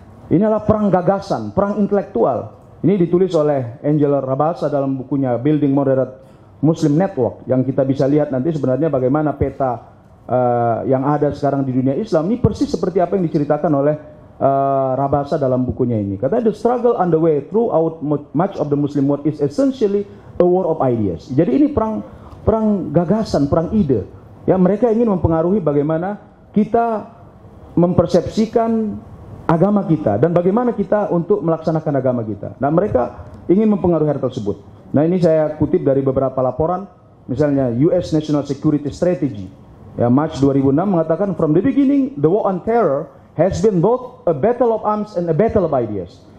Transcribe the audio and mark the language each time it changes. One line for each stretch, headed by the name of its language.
Indonesian: Ini adalah perang gagasan, perang intelektual. Ini ditulis oleh Angela Rabassa dalam bukunya Building Moderate Muslim Network, yang kita bisa lihat nanti sebenarnya bagaimana peta yang ada sekarang di dunia Islam ini persis seperti apa yang diceritakan oleh Rabassa dalam bukunya ini.
English: Katanya the struggle underway throughout much of the Muslim world is essentially a war of ideas.
Indonesian: Jadi ini perang gagasan, perang ide. Ya, mereka ingin mempengaruhi bagaimana kita mempersepsikan agama kita dan bagaimana kita untuk melaksanakan agama kita. Nah, mereka ingin mempengaruhi hal tersebut. Nah, ini saya kutip dari beberapa laporan, misalnya US National Security Strategy ya, March 2006 mengatakan
English: from the beginning the war on terror has been both a battle of arms and a battle of ideas.